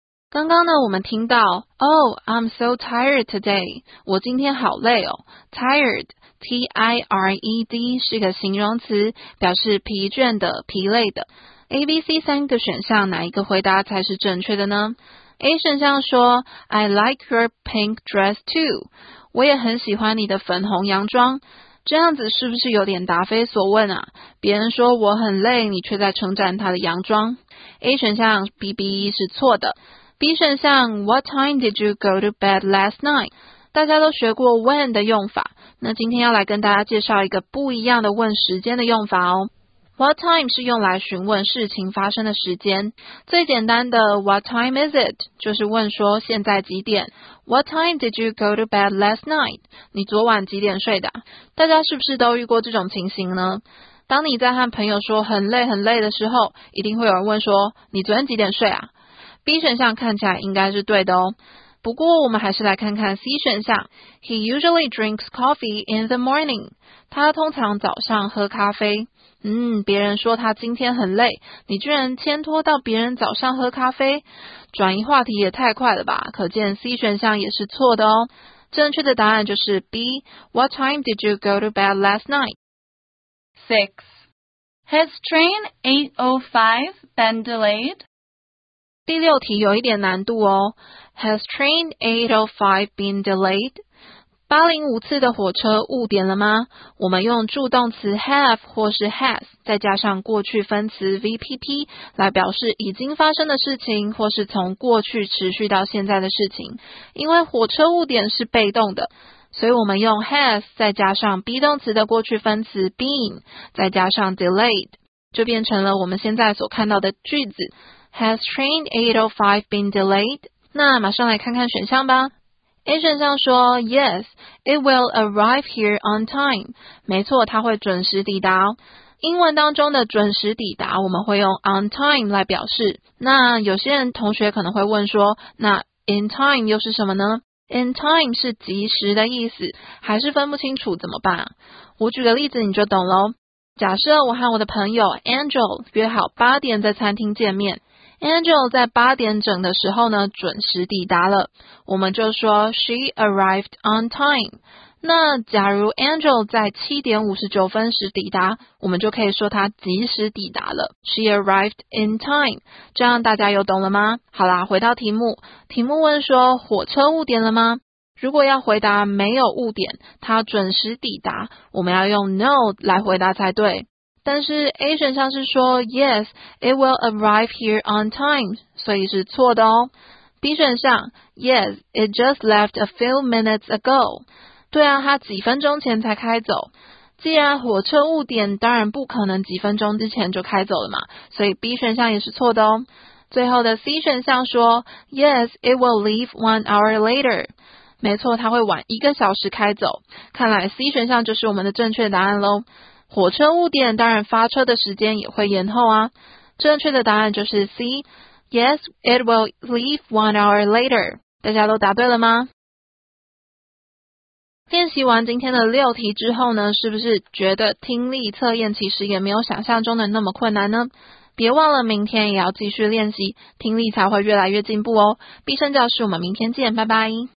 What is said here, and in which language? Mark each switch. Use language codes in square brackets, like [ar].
[zh] 刚刚呢我们听到 [en] Oh, I'm so tired today. [zh] 我今天好累哦。 Tired, T-I-R-E-D 是个形容词表示疲倦的疲累的。 ABC 三个选项哪一个回答才是正确的呢 ?A 选项说 [en] I like your pink dress too. [zh] 我也很喜欢你的粉红洋装这样子是不是有点答非所问啊别人说我很累你却在称赞他的洋装 A 选项 BB 是错的 B 选项 [en] What time did you go to bed last night [zh] 大家都学过 when 的用法那今天要来跟大家介绍一个不一样的问时间的用法哦 What time 是用来询问事情发生的时间最简单的 [en] What time is it [zh] 就是问说现在几点 [en] What time did you go to bed last night? [zh] 你昨晚几点睡的？大家是不是都遇过这种情形呢？当你在和朋友说很累很累的时候，一定会有人问说，你昨天几点睡啊？ B 选项看起来应该是对的哦。不过我们还是来看看 C 选项。 [en] He usually drinks coffee in the morning. [zh] 他通常早上喝咖啡。别人说他今天很累，你居然牵拖到别人早上喝咖啡？转移话题也太快了吧，可见 C 选项也是错的哦。正确的答案就是 B. [en] What time did you go to bed last night? 6. Has train 805 been delayed? [zh] 第六题有一点难度哦。 [en] Has train 805 been delayed? [zh] 805次的火车误点了吗？我们用助动词 have 或是 has 再加上过去分词 VPP 来表示已经发生的事情或是从过去持续到现在的事情。因为火车误点是被动的，所以我们用 has 再加上 be 动词的过去分词 been 再加上 delayed 就变成了我们现在所看到的句子。 [en] Has train 805 been delayed? [zh] 那马上来看看选项吧。 A 选项说 [en] Yes, it will arrive here on time. [zh] 没错，它会准时抵达哦。英文当中的准时抵达我们会用 on time 来表示。那有些人同学可能会问说，那 in time 又是什么呢？ In time 是及时的意思，还是分不清楚怎么办？我举个例子你就懂咯。假设我和我的朋友 Angel 约好8点在餐厅见面，Angel 在8点整的时候呢准时抵达了，我们就说 [en] She arrived on time。 [zh] 那假如 Angel 在7点59分时抵达，我们就可以说她及时抵达了， [en] She arrived in time。 [zh] 这样大家有懂了吗？好啦，回到题目，题目问说火车误点了吗？如果要回答没有误点，她准时抵达，我们要用 No 来回答才对。但是 A 选项是说 [en] Yes, it will arrive here on time, [zh] 所以是错的哦。 B 选项 [en] Yes, it just left a few minutes ago. [zh] 对啊，它几分钟前才开走。既然火车误点，当然不可能几分钟之前就开走了嘛，所以 B 选项也是错的哦。最后的 C 选项说 [en] Yes, it will leave 1 hour later. [zh] 没错，它会晚一个小时开走。看来 C 选项就是我们的正确答案咯。火车误点，当然发车的时间也会延后啊。正确的答案就是 C. [en] Yes, it will leave 1 hour later. [zh] 大家都答对了吗？练习完今天的六题之后呢，是不是觉得听力测验其实也没有想象中的那么困难呢？别忘了明天也要继续练习，听力才会越来越进步哦。必胜教室，我们明天见，拜拜。